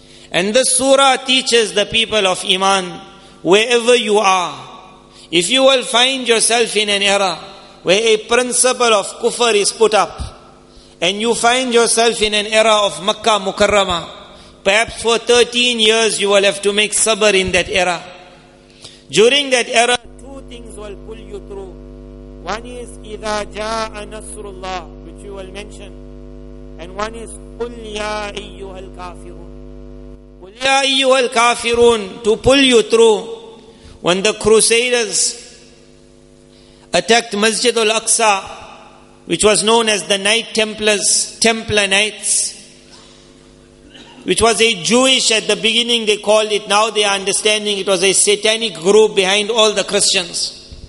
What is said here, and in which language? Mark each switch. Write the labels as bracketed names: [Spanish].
[English] And this surah teaches the people of Iman, wherever you are, if you will find yourself in an era where a principle of kufr is put up, and you find yourself in an era of Makkah Mukarramah, perhaps for 13 years you will have to make sabr in that era. During that era, two things will pull you through. One is [Arabic] إِذَا جَاءَ نَصْرُ اللَّهِ, [English] which you will mention. [Arabic] And one is قُلْ يَا أَيُّهَا الْكَافِرُونَ. قُلْ يَا أَيُّهَا الْكَافِرُونَ, [English] to pull you through. When the crusaders attacked Masjid al-Aqsa, which was known as the Knight Templars, Templar Knights, which was a Jewish, at the beginning they called it, now they are understanding it was a satanic group behind all the Christians.